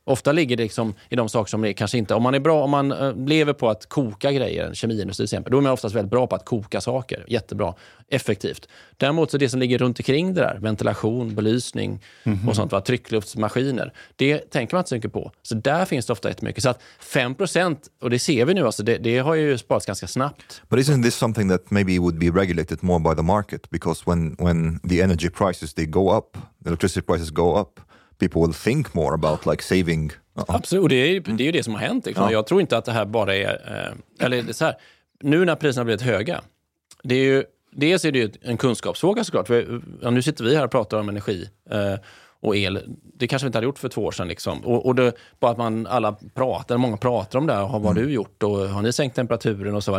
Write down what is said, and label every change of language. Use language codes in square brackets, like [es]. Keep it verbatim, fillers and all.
[sv] Ofta ligger det liksom i de saker som det kanske inte, om man är bra, om man eh, lever på att koka grejer, kemiindustri till exempel, då är man oftast väldigt bra på att koka saker, jättebra, effektivt. Däremot så det som ligger runt omkring det där, ventilation, belysning mm-hmm. och sånt, va, tryckluftsmaskiner, det tänker man inte så mycket på. Så där finns det ofta jättemycket. Så att fem procent, och det ser vi nu, alltså, det, det har ju sparats ganska snabbt. [en] But isn't this something that maybe would be regulated more by the market? Because when, when the energy prices, they go up, the electricity prices go up, people will think more about like saving. Uh-oh. [sv] Absolut, och det är, det är ju det som har hänt. Liksom. Ja. Jag tror inte att det här bara är... Eh, eller det är så här, nu när priserna har blivit höga, det är ju, dels är det ju en kunskapsfråga såklart. För, ja, nu sitter vi här och pratar om energi eh, och el. Det kanske vi inte hade gjort för två år sedan. Liksom. Och, och det, bara att man alla pratar, många pratar om det här, och har vad mm. du gjort och har ni sänkt temperaturen och så.